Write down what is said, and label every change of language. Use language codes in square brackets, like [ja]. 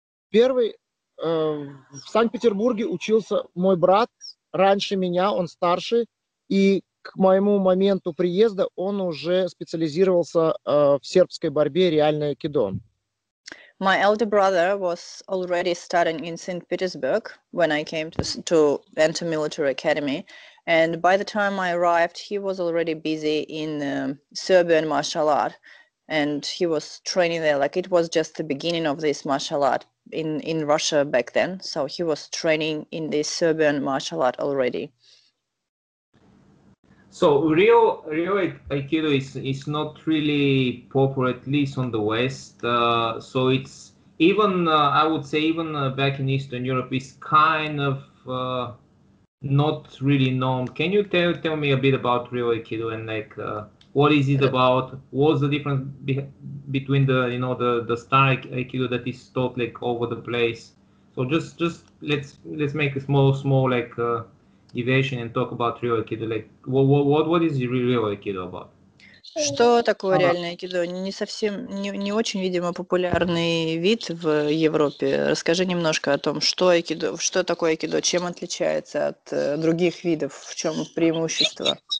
[ru] Первый в Санкт-Петербурге учился мой брат. Раньше меня, он старше, и к моему моменту приезда он уже специализировался в сербской борьбе, реальное кидо. [en] My elder brother was already studying in St. Petersburg when I came to enter military academy, and by the time I arrived, he was already busy in Serbian martial art, and he was training there, like it was just the beginning of this martial art. In Russia back then, so he was training in the Serbian martial art already. So real Aikido is not really popular, at least on the West. So it's even I would say even back in Eastern Europe is kind of not really known. Can you tell me a bit about real Aikido and like what is it about? What's the difference between the, you know, the star Aikido that is taught like over the place? So just let's make a small like deviation and talk about real Aikido. Like what is real Aikido about? [ru] Что такое реальное Aikido? Не совсем не очень, видимо, популярный вид в Европе. Расскажи немножко о том, что Aikido, что такое Aikido, чем отличается от других видов, в чем преимущество?